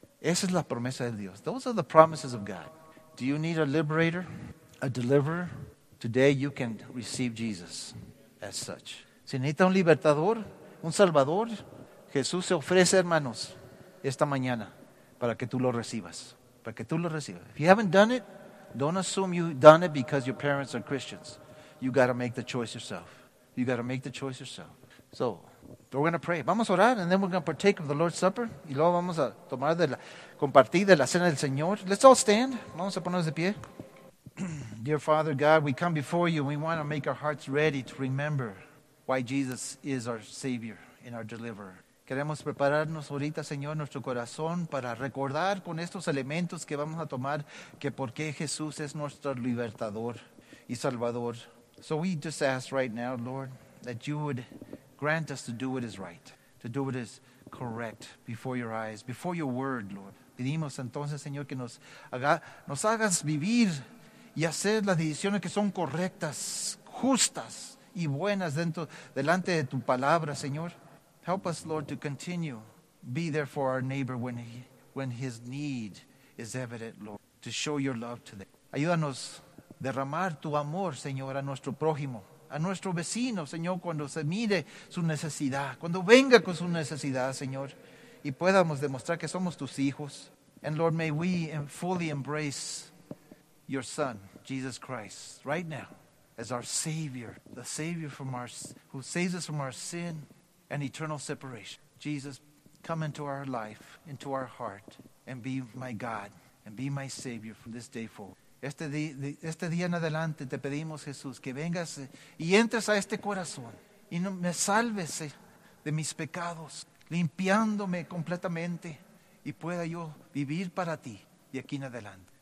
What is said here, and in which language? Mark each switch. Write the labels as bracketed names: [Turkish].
[Spanish] Esa es la promesa de Dios. [English] Those are the promises of God. Do you need a liberator, a deliverer? Today you can receive Jesus as such. [Spanish] Si necesita un libertador, un salvador, Jesús se ofrece, hermanos, esta mañana para que tú lo recibas. Para que tú lo recibas. [English] If you haven't done it, don't assume you've done it because your parents are Christians. You got to make the choice yourself. You got to make the choice yourself. So, we're going to pray. [Spanish] Vamos a orar, [English] and then we're going to partake of the Lord's Supper. [Spanish] Y luego vamos a tomar compartir de la cena del Señor. [English] Let's all stand. [Spanish] Vamos a ponernos de pie. [English] Dear Father God, we come before you. We want to make our hearts ready to remember why Jesus is our Savior and our Deliverer. [Spanish] Queremos prepararnos ahorita, Señor, nuestro corazón para recordar con estos elementos que vamos a tomar que por qué Jesús es nuestro libertador y salvador. [English] So we just ask right now, Lord, that you would grant us to do what is right, to do what is correct before your eyes, before your word, Lord. [Spanish] Pedimos entonces, Señor, que nos hagas vivir y hacer las decisiones que son correctas, justas y buenas delante de tu palabra, Señor. [English] Help us, Lord, to continue be there for our neighbor when his need is evident, Lord, to show your love to them. [Spanish] Ayúdanos a derramar tu amor, Señor, a nuestro prójimo, a nuestro vecino, Señor, cuando se mire su necesidad, cuando venga con su necesidad, Señor, y podamos demostrar que somos tus hijos. [English] And Lord, may we fully embrace your Son, Jesus Christ, right now, as our Savior, the Savior who saves us from our sin and eternal separation. Jesus, come into our life, into our heart, and be my God, and be my Savior from this day forward. [Spanish] Este día en adelante te pedimos, Jesús, que vengas y entres a este corazón y me salves de mis pecados, limpiándome completamente y pueda yo vivir para ti de aquí en adelante.